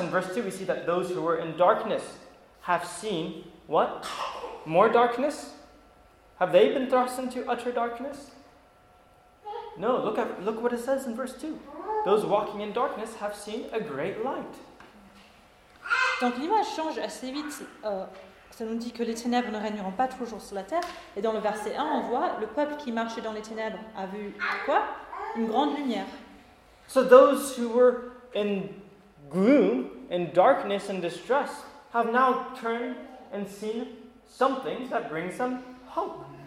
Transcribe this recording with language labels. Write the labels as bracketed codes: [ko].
[en] In verse 2, we see that those who were in darkness have seen what? More darkness? Have they been thrust into utter darkness? No, look what it says in verse 2. Those walking in darkness have seen a great light. [fr] Donc l'image change assez vite. Ça nous dit que les ténèbres ne régneront pas toujours sur la terre. Et dans le verset 1, on voit le peuple qui marchait dans les ténèbres a vu quoi? Une grande lumière. [en] So those who were in gloom, in darkness and distress, have now turned and seen something that brings them hope.